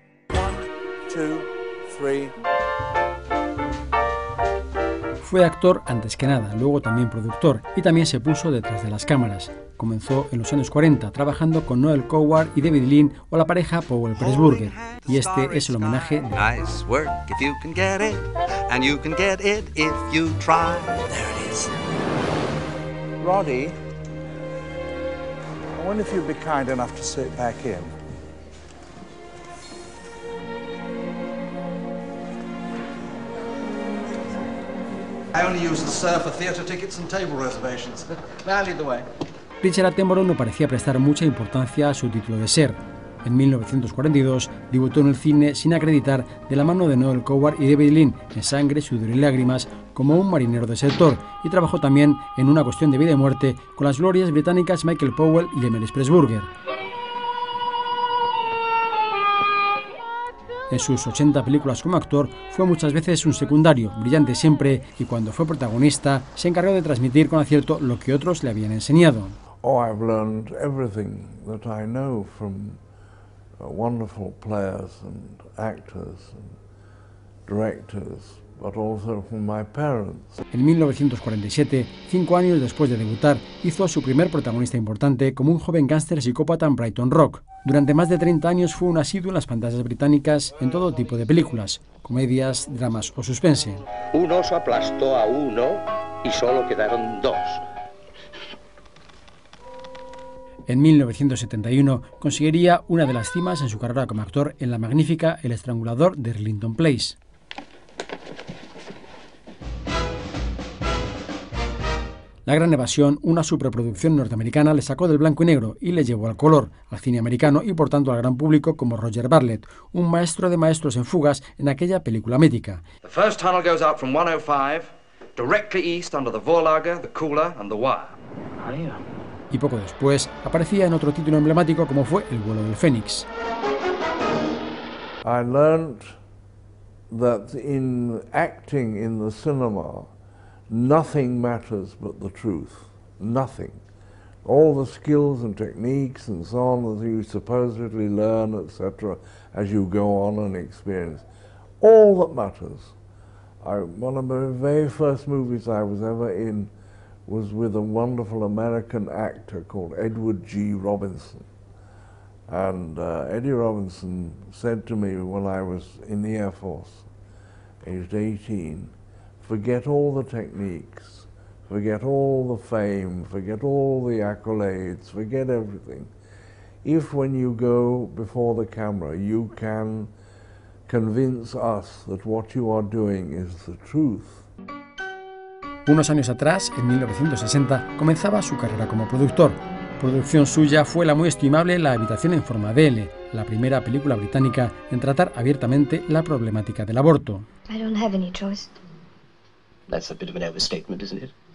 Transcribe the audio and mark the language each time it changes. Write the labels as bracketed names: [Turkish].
[Spanish] 1, 2, 3. Fue actor antes que nada, luego también productor, y también se puso detrás de las cámaras. Comenzó en los años 40, trabajando con Noel Coward y David Lean o la pareja Powell Pressburger. Y este es el homenaje de... [English] Nice work if you can get it, and you can get it if you try. There it is. Roddy, I wonder if you'd be kind enough to sit back in. I only use the surfer theatre tickets and table reservations. May I lead the way? [Spanish] Richard Attenborough no parecía prestar mucha importancia a su título de ser. En 1942 debutó en el cine sin acreditar, de la mano de Noel Coward y David Lean, en Sangre, sudor y lágrimas, como un marinero desertor, y trabajó también en Una cuestión de vida y muerte con las glorias británicas Michael Powell y Emmeline Pressburger. En sus 80 películas como actor, fue muchas veces un secundario, brillante siempre, y cuando fue protagonista, se encargó de transmitir con acierto lo que otros le habían enseñado. [English] Oh, I've learned everything that I know from wonderful players and actors and directors, but also from my parents. [Spanish] En 1947, cinco años después de debutar, hizo su primer protagonista importante como un joven gángster psicópata en Brighton Rock. Durante más de 30 años fue un asiduo en las pantallas británicas en todo tipo de películas, comedias, dramas o suspense. Un oso aplastó a uno y solo quedaron dos. En 1971 conseguiría una de las cimas en su carrera como actor en la magnífica El estrangulador de Arlington Place. La gran evasión, una superproducción norteamericana, le sacó del blanco y negro y le llevó al color, al cine americano y por tanto al gran público como Roger Bartlett, un maestro de maestros en fugas en aquella película mítica. [English] The first tunnel goes out from 105, directly east under the Vorlager, the cooler and the wire. [Spanish] Y poco después aparecía en otro título emblemático como fue El vuelo del Fénix. [English] I learned that in acting in the cinema, nothing matters but the truth. Nothing. All the skills and techniques and so on that you supposedly learn, etc., as you go on and experience. All that matters. One of the very first movies I was ever in was with a wonderful American actor called Edward G. Robinson. And Eddie Robinson said to me when I was in the Air Force, aged 18, forget all the techniques, forget all the fame, forget all the accolades, forget everything. If when you go before the camera, you can convince us that what you are doing is the truth. [Spanish] Unos años atrás, en 1960, comenzaba su carrera como productor. Producción suya fue la muy estimable La habitación en forma de L, la primera película británica en tratar abiertamente la problemática del aborto. [English] I don't have any choice. That's a bit of an overstatement, isn't it?